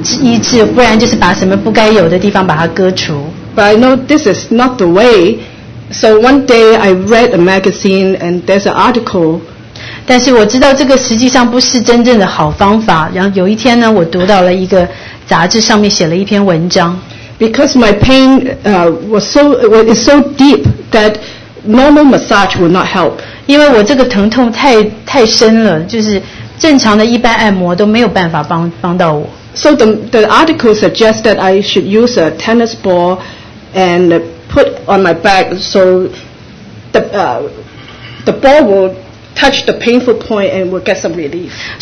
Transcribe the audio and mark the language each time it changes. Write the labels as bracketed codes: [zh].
[zh] 我自然的感觉就是说，我要嘛就是去看医生，医治，不然就是把什么不该有的地方把它割除。 [en] But I know this is not the way. So one day I read a magazine and there's an article. [zh] 但是我知道这个实际上不是真正的好方法。然后有一天呢，我读到了一个杂志上面写了一篇文章。 [en] Because my pain was so deep that normal massage would not help. [zh] 因为我这个疼痛太深了，就是正常的一般按摩都没有办法帮到我。 [en] So the article suggests that I should use a tennis ball and put on my back so the ball will touch the painful point and will get some relief.